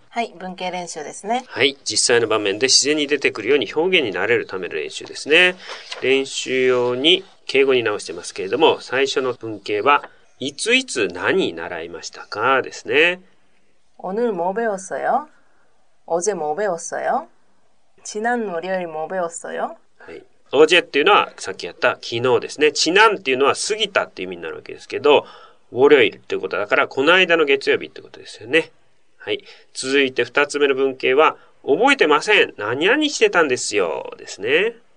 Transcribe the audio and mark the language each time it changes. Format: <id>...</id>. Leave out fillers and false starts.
<ja>はい、文型練習ですね。はい、実際の場面で自然に出てくるように表現になれるための練習ですね。練習用に敬語に直してますけれども、最初の文型はいついつ何習いましたかですね。</ja> <ko>오늘뭐배웠어요？ 어제뭐배웠어요？ 지난월요일뭐배웠어요？</ko> <ja>はい、어제っていうのはさっきやった昨日ですね。지난っていうのは過ぎたっていう意味になるわけですけど、월요일っていうことだから、この間の月曜日ってことですよね。はい。続いて二つ目の文型は、覚えてません。何々してたんですよ。ですね。</ja>